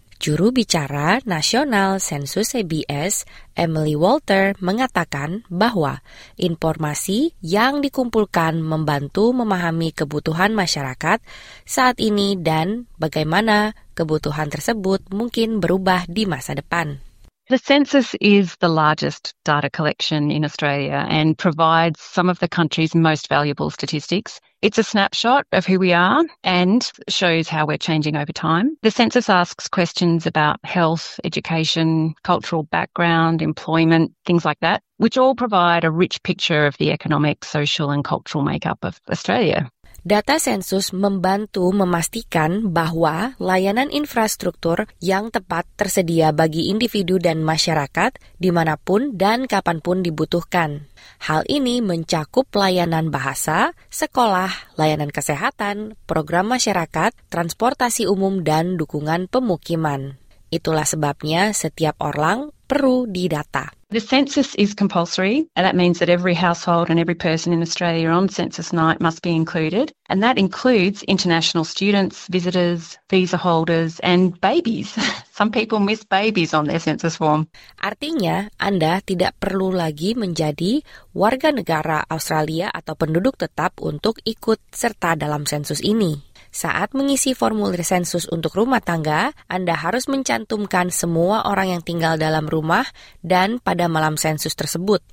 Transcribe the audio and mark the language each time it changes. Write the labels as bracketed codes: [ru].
[id] Juru bicara nasional sensus ABS, Emily Walter, mengatakan bahwa informasi yang dikumpulkan membantu memahami kebutuhan masyarakat saat ini dan bagaimana kebutuhan tersebut mungkin berubah di masa depan. [en] The census is the largest data collection in Australia and provides some of the country's most valuable statistics. It's a snapshot of who we are and shows how we're changing over time. The census asks questions about health, education, cultural background, employment, things like that, which all provide a rich picture of the economic, social, and cultural makeup of Australia. [id] Data sensus membantu memastikan bahwa layanan infrastruktur yang tepat tersedia bagi individu dan masyarakat dimanapun dan kapanpun dibutuhkan. Hal ini mencakup layanan bahasa, sekolah, layanan kesehatan, program masyarakat, transportasi umum, dan dukungan pemukiman. Itulah sebabnya setiap orang perlu didata. [en] The census is compulsory, and that means that every household and every person in Australia on census night must be included, and that includes international students, visitors, visa holders, and babies. Some people miss babies on their census form. [id] Artinya, Anda tidak perlu lagi menjadi warga negara Australia atau penduduk tetap untuk ikut serta dalam sensus ini. Saat mengisi formulir sensus untuk rumah tangga, Anda harus mencantumkan semua orang yang tinggal dalam rumah dan pada malam sensus tersebut.